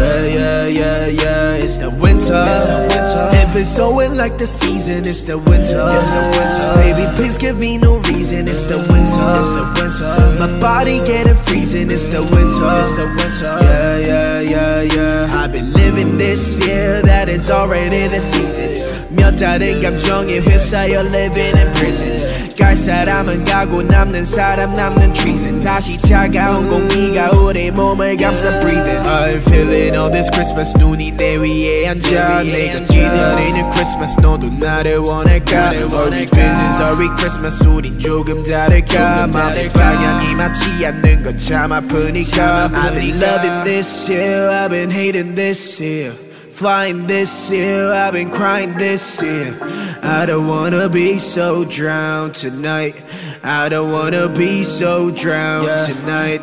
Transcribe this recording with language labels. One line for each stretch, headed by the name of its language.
English: yeah, it's the winter, if it's snowing like the season, it's the winter, baby, please give me no reason, it's the winter, my body getting freezing, it's the winter, yeah, I've been living this year, that is already the season.
Korean: 몇 달은 감정에 휩싸여
English: living in prison.
Korean: 갈 사람은 가고 남는 사람 남는 treason. 다시 차가운 공기가 우리 몸을 감싸 breathing.
English: I'm feeling all this Christmas.
Korean: 눈이 내 위에 앉아. 내가 기다리는 Christmas. 너도 나를 원할까?
English: Are we business? Are we Christmas?
Korean: 우린 조금 다를까? 마음의 방향이 맞지 않는 건 참 아프니까.
English: I've been loving this year. I've been hating this year. Flying this year, I've been crying this year. I don't wanna be so drowned tonight. I don't wanna be so drowned tonight.